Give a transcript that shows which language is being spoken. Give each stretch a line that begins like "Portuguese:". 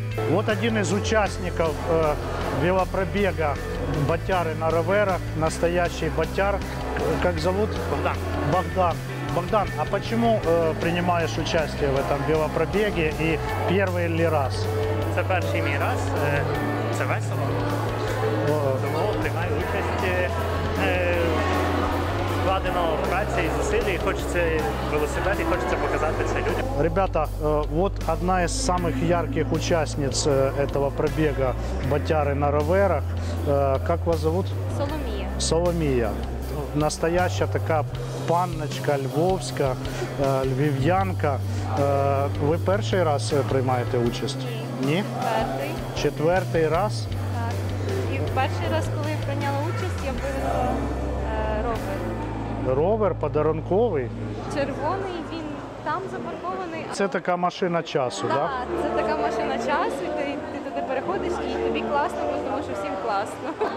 Russian: Вот один из участников велопробега ботяры на роверах, настоящий ботяр. Как зовут? Богдан. Богдан. Богдан, а почему принимаешь участие в этом велопробеге и первый ли раз?
Ukrainian: Це перший мій раз, це весело. Тому приймаю участь, вкладено праці і зусилля, і хочеться велосипед, і хочеться показати це людям.
Russian: Ребята, вот одна из самых ярких участниц этого пробега «Ботяры на роверах». Как вас зовут? Соломія. Соломія. Настоящая такая панночка львовская, львів'янка. Вы первый раз принимаете участие?
Ukrainian: Ні. Ні?
Russian: Четвертый. Четвертый раз?
Ukrainian: Так.
Russian: И первый раз, когда я приняла участие,
Ukrainian: я вивезла ровер.
Russian: Ровер подарунковый?
Ukrainian: Червоний, він там запаркований. Це така машина часу, так?
Russian: Да?
Ukrainian: Це така машина часу, і ти туди переходиш, і тобі класно, тому що всім класно.